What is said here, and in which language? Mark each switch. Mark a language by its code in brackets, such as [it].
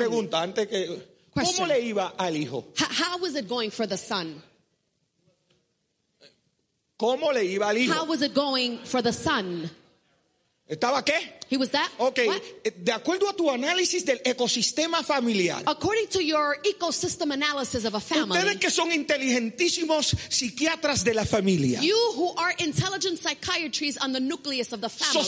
[es] Pregunta antes que, [en] question. [es] ¿Cómo le iba al hijo? [en] How was it going for the son? [es] ¿Cómo le iba al hijo? [en] How was it going for the son? [es] ¿Estaba qué? [en] He was that? Okay. What? [es] De acuerdo a tu análisis del ecosistema familiar. [en] According to your ecosystem analysis of a family. [es] Ustedes que son inteligentísimos psiquiatras de la familia. [en] You who are intelligent psychiatrists on the nucleus of the family.